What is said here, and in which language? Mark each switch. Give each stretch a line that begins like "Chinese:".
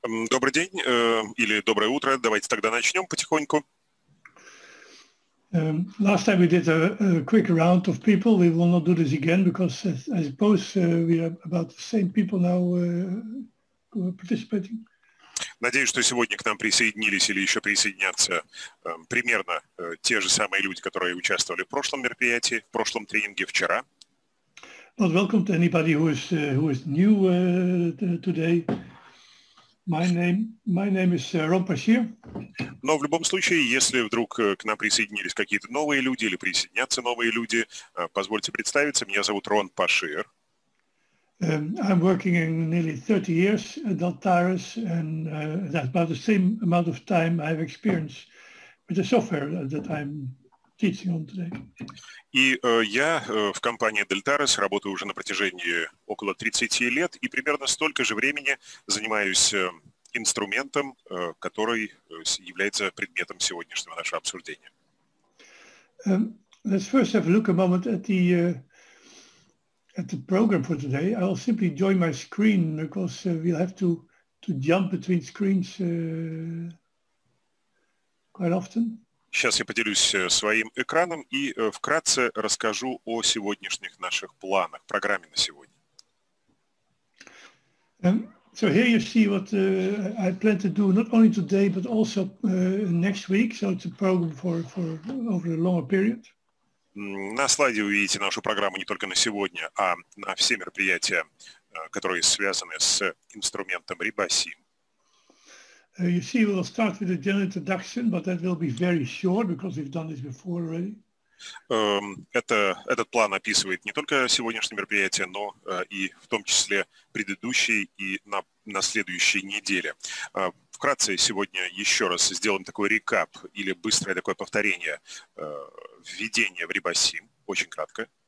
Russian: Добрый день, или доброе утро. Давайте тогда начнем потихоньку.
English: Last time we did a quick round of people. We will not do this again because I suppose we are about the same people now participating.
Russian: Надеюсь, что сегодня к нам присоединились или еще присоединятся примерно те же самые люди, которые участвовали в прошлом мероприятии, в прошлом тренинге вчера.
English: But welcome to anybody who is new today. My name is Ron Pashir.
Russian: Но в любом случае, если вдруг к нам присоединились какие-то новые люди или присоединятся новые люди, позвольте представиться. Меня зовут Рон Пашир.
English: I'm working in nearly 30 years at Altaris, and that's about the same amount of time I have experience with the software that I'm teaching on today.
Russian: И я в компании Deltares работаю уже на протяжении около 30 лет и примерно столько же времени занимаюсь инструментом, который является предметом сегодняшнего нашего обсуждения.
English: Let's first have a look a moment at the program for today. I'll simply join my screen because we'll have to jump between screens quite often.
Russian: Сейчас я поделюсь своим экраном и вкратце расскажу о сегодняшних наших планах, программе на сегодня.
English: So here you see what I plan to do not only today but also next week. So it's a program for over a longer period.
Russian: На слайде вы видите нашу программу не только на сегодня, а на все мероприятия, которые связаны с инструментом RIBASI.
English: You see, we'll start with a general introduction, but that will be very short because we've done this before already.
Russian: Этот план описывает не только сегодняшнее мероприятие, но и в том числе предыдущие и на следующей неделе. Вкратце сегодня еще раз сделаем такой рекап или быстрое такое повторение введения в RIBASI, очень кратко.